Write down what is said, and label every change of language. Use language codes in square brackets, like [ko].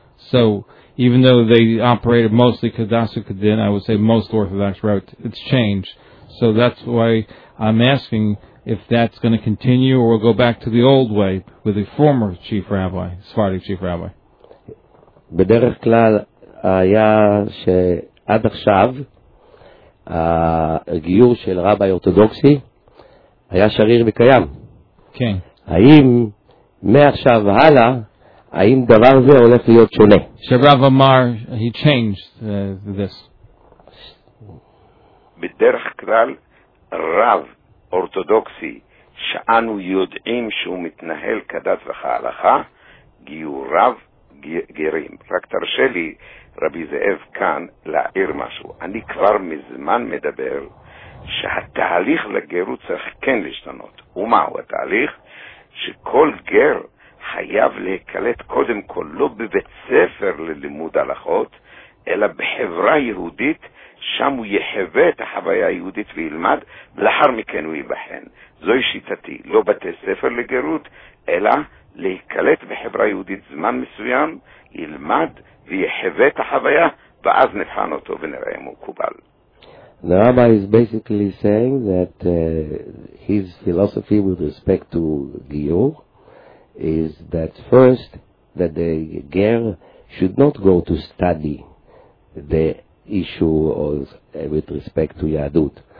[en] So even though they operated mostly Kedasa Kedin, I would say most Orthodox route, it's changed. So that's why I'm asking if that's going to continue or go back to the old way with the former chief rabbi, Sephardic chief rabbi. [he] בדרך כלל היה שעד עכשיו הגיור של רבי אורתודוקסי היה שריר וקיים. כן. האם מעכשיו הלאה, האם דבר זה הולך להיות שונה? שרב אמר, [en] he changed this. [he] בדרך כלל, רב אורתודוקסי, שאנו יודעים שהוא מתנהל כדת וכהלכה, גיוריו גרים. רק תרשה לי, רבי זאב כאן, להעיר משהו. אני כבר מזמן מדבר שהתהליך לגירות צריך כן להשתנות. ומהו התהליך? שכל גר חייב להיקלט קודם כל לא בבית ספר ללימוד הלכות, אלא בחברה יהודית, שם הוא יחווה את החוויה היהודית וילמד, ולאחר מכן הוא ייבחן. זוהי שיטתי, לא בתי ספר לגירות, אלא להיקלט בחברה יהודית זמן מסוים, ילמד ויחווה את החוויה, ואז נבחן אותו ונראה אם הוא קובל. [en] The rabbi is basically saying that his philosophy with respect to Giyur is that first, that the ger should not go to study the issue of, with respect to Yadut.